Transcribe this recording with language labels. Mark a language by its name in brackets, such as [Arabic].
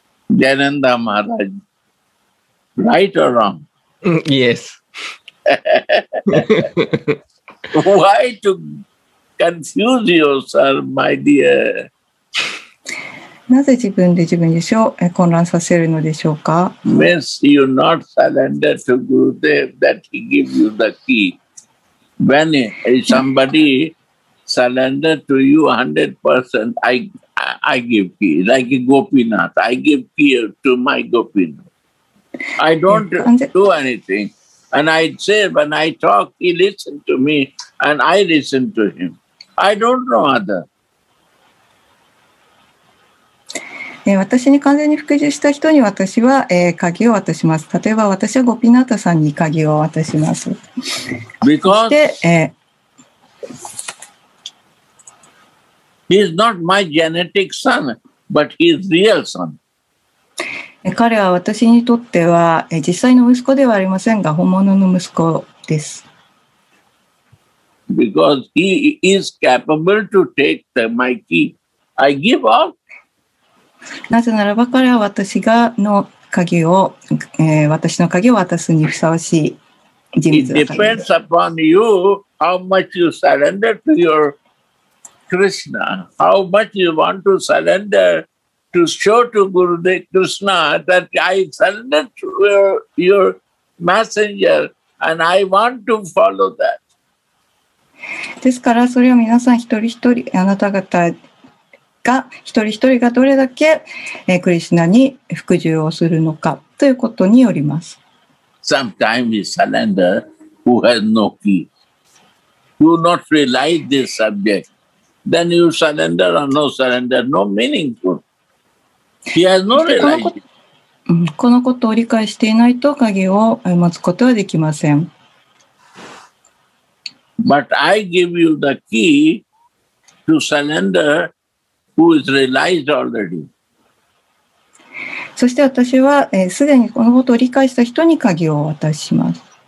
[English] ジャナンダ・マハラジ、right or wrong? Yes. Why to confuse yourself, my dear? [Japanese] なぜ自分で自分自身を混乱させるのでしょうか [English] ?Miss, you not surrender to Gurudev that he gives you the key.When somebody surrender to you 100%, I give key, like Gopinath, I give key to my Gopinath.I don't do anything. And I say, when I talk, he listens to me, and I listen to him. I don't know other. [Japanese] 私に完全に服従した人に私は、鍵を渡します。例えば私はゴピナタさんに鍵を渡します。 [English] Because he is not my genetic son, but he is real son. [Japanese] 彼は私にとっては実際の息子ではありませんが、本物の息子です。 [English] Because he is capable to take my key. I give up. [Japanese] なぜならば彼は私がの鍵を、私の鍵を渡すにふさわしい人物だから。 [English] It depends upon you how much you surrender to your Krishna, how much you want to surrender to show to Gurudev Krishna that I surrender to your messenger and I want to follow that. [Japanese] ですからそれは皆さん一人一人あなた方が一人一人がどれだけ、クリシュナに服従をするのかということによります。 [English] Sometimes we surrender who has no key. You not rely this subject. Then you surrender or no surrender, no meaningful. He has no rely. [Japanese] このことを理解していないと鍵を持つことはできません。 [English] But I give you the key to surrender. Who is realized already. [Japanese] そして私はすで、にこのことを理解した人に鍵を渡します。